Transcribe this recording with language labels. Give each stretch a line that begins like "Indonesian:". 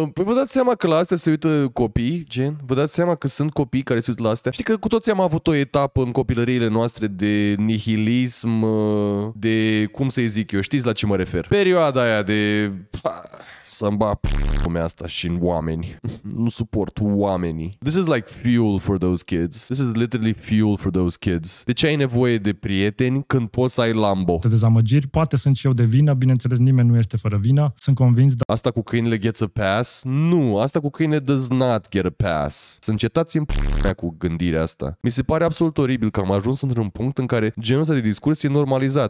Romanian: Păi vă dați seama că la astea se uită copii, gen? Vă dați seama că sunt copii care se uită la astea? Știi că cu toți am avut o etapă în copilăriile noastre de nihilism, de... Cum să-i zic eu? Știți la ce mă refer? Perioada aia de... Să-mi bap lumea asta și în oameni. Nu suport oamenii.
English: This is like fuel for those kids. This is literally fuel for those kids.
Romanian: De ce ai nevoie de prieteni când poți să ai Lambo? Te dezamăgiri, poate sunt și eu de vină, bineînțeles nimeni nu este fără vină. Sunt convins, dar... Asta cu câinele
English: gets a pass?
Romanian: Nu, asta cu câinele
English: does not get a pass.
Romanian: Să încetați în p***a cu gândirea asta. Mi se pare absolut oribil că am ajuns într-un punct în care genul ăsta de discurs e normalizat.